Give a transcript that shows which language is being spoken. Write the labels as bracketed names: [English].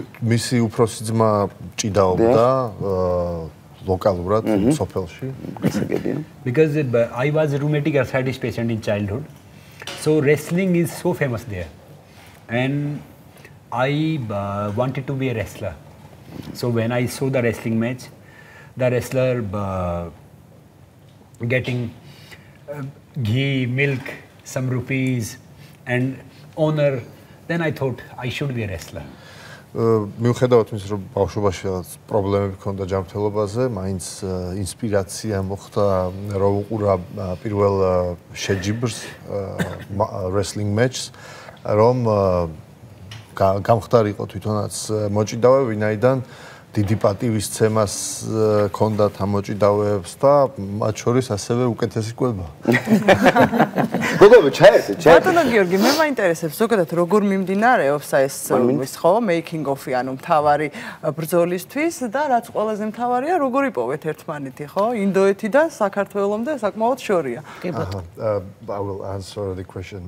[Georgian] მისი უფროსი ძმა ჭიდაობდა ლოკალურად სოფელში. [English] Because I was a rheumatic arthritis patient in childhood. So wrestling is so famous there. And I wanted to be a wrestler. So when I saw the wrestling match, the wrestler getting ghee, milk, some rupees, and owner, then I thought I should be a wrestler. [Georgian] მიუხედავად იმისა, რომ ბავშვობაში რაღაც პრობლემები ჰქონდა ჯანმრთელობაზე, მაინც ინსპირაცია მოხდა, რომ უყურა პირველ შეჯიბრს, [English] wrestling match- [Georgian] ს, რომ გამხდარიყო თვითონაც მოჭიდავე, ვინაიდან დიდი პატივისცემას ჰქონდა თამოჭიდავეებს და მათ შორის ასევე უკეთესი კვება. გოგობა, ჩაერთე, ჩაერთე. ბატონო გიორგი, მე მაინტერესებს ზოგადად როგორ მიმდინარეობს ეს ის ხო, [English] making of- [Georgian] ი, ანუ მთავარი ბრძოლისთვის და რაც ყველაზე მთავარია, როგორ იპოვეთ ერთმანეთი, ხო? ინდოეთი და საქართველომდე საკმაოდ შორია. [English] I will answer the question.